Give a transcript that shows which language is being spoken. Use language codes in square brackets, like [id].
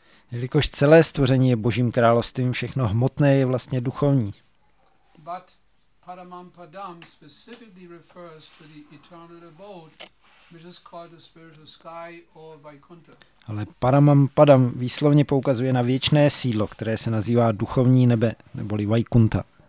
[cs] Jelikož celé stvoření je Božím královstvím, všechno hmotné je vlastně duchovní. [en] But Paramam Padam specifically refers to the eternal abode, which is called the spiritual sky or Vaikuntha. [cs] Ale Paramam Padam výslovně poukazuje na věčné sídlo, které se nazývá duchovní nebe, neboli Vaikuntha.